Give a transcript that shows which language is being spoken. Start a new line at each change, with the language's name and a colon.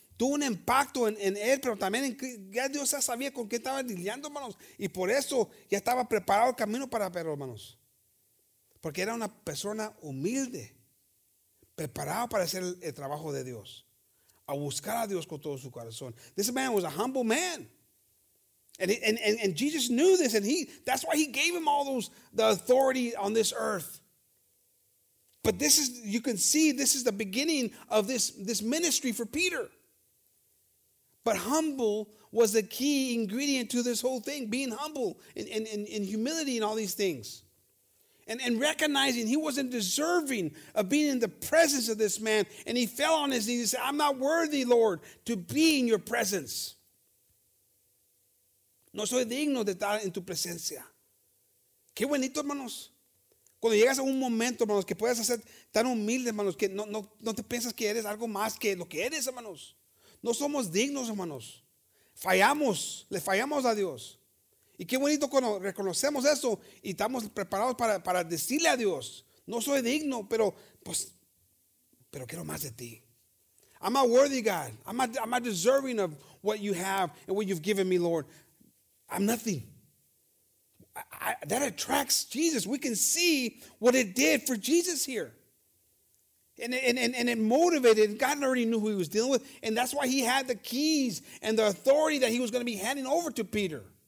Spanish: Tuvo un impacto en él, pero también ya Dios ya sabía con qué estaba lidiando, hermanos. Y por eso ya estaba preparado el camino para Pedro, hermanos. Porque era una persona humilde, preparado para hacer el trabajo de Dios. A buscar a Dios con todo su corazón.
English: This man was a humble man. And Jesus knew this. And that's why he gave him all the authority on this earth. But this is, you can see, this is the beginning of this ministry for Peter. But humble was the key ingredient to this whole thing, being humble and humility and all these things. And recognizing he wasn't deserving of being in the presence of this man. And he fell on his knees and said, I'm not worthy, Lord, to be in your presence.
Spanish: No soy digno de estar en tu presencia. Qué bonito, hermanos. Cuando llegas a un momento, hermanos, que puedas ser tan humilde, hermanos, que no te piensas que eres algo más que lo que eres, hermanos. No somos dignos, hermanos. Fallamos, le fallamos a Dios. Y qué bonito cuando reconocemos eso y estamos preparados para decirle a Dios, no soy digno, pero pues, pero quiero más de ti.
English: I'm not worthy, God. I'm not deserving of what you have and what you've given me, Lord. I'm nothing. That attracts Jesus. We can see what it did for Jesus here. And it motivated. God already knew who he was dealing with. And that's why he had the keys and the authority that he was going to be handing over to Peter.